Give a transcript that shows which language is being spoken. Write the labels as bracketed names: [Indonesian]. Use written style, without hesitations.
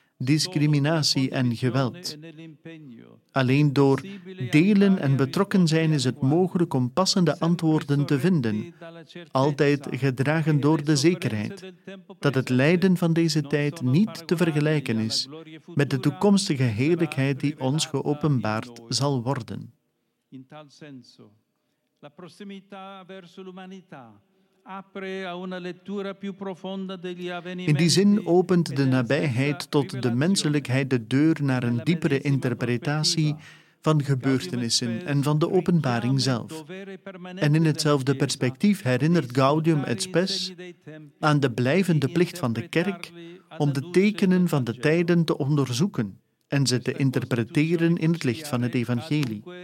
[Dutch] discriminatie en geweld. Alleen door delen en betrokken zijn is het mogelijk om passende antwoorden te vinden, altijd gedragen door de zekerheid dat het lijden van deze tijd niet te vergelijken is met de toekomstige heerlijkheid die ons geopenbaard zal worden. [Italian] In tal senso, la prossimità verso l'umanità apre a una lettura più profonda degli avvenimenti. [Dutch] In die zin opent de nabijheid tot de menselijkheid de deur naar een diepere interpretatie van gebeurtenissen en van de openbaring zelf. En in hetzelfde perspectief herinnert Gaudium et Spes aan de blijvende plicht van de kerk om de tekenen van de tijden te onderzoeken en ze te interpreteren in het licht van het evangelie.